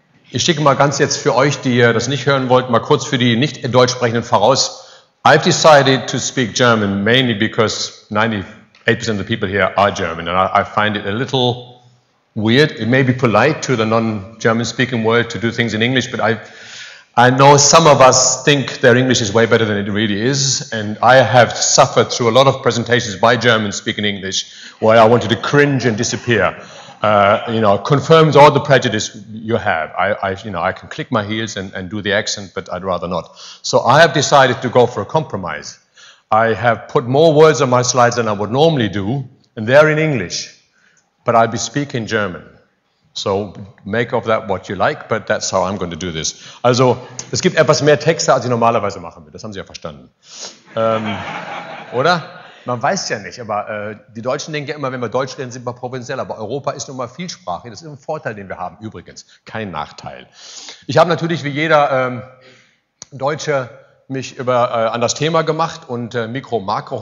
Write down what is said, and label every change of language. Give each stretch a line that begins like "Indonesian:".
German: Ich schicke mal ganz jetzt für euch, die das nicht hören wollten, mal kurz für die nicht Deutsch sprechenden voraus.
English: I've decided to speak German mainly because 98% of the people here are German and I find it a little weird. It may be polite to the non-German speaking world to do things in English, but I know some of us think their English is way better than it really is, and I have suffered through a lot of presentations by Germans speaking English where I wanted to cringe and disappear. You know, confirms all the prejudice you have. I can click my heels and do the accent, but I'd rather not. So I have decided to go for a compromise. I have put more words on my slides than I would normally do, and they're in English, but I'll be speaking German. So make of that what you like, but that's how I'm going to do this.
German: Also, es gibt etwas mehr Texte, als ich normalerweise machen würde. Das haben Sie ja verstanden. oder? Man weiß ja nicht, aber die Deutschen denken ja immer, wenn wir Deutsch reden, sind wir provinziell. Aber Europa ist nun mal vielsprachig. Das ist ein Vorteil, den wir haben übrigens. Kein Nachteil. Ich habe natürlich wie jeder Deutsche mich über an das Thema gemacht und Mikro, Makro.